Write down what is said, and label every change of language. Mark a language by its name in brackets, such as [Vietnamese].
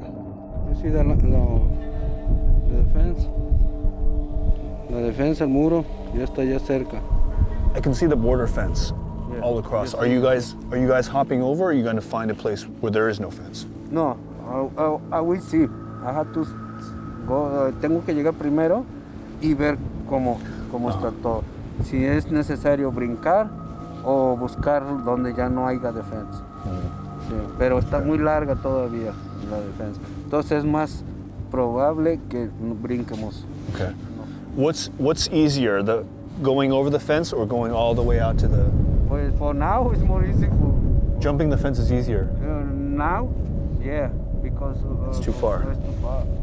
[English] You see the fence? The fence, [Spanish] el muro, ya está ya cerca. [English] I can see the border fence, yeah. All across. Yes. Are you guys hopping over, or are you going to find a place where there is no fence? No, I will see. I have to. [Spanish] Tengo que llegar primero y ver cómo está todo. Si es necesario brincar o buscar donde ya no haya defensa. Mm-hmm. Sí, pero está muy larga todavía la defensa. Entonces es más probable que brinquemos. [English] Okay. What's easier, the going over the fence or going all the way out to the? Well, for now it's more easy. Jumping the fence is easier. Now, yeah, because it's too far. It's too far.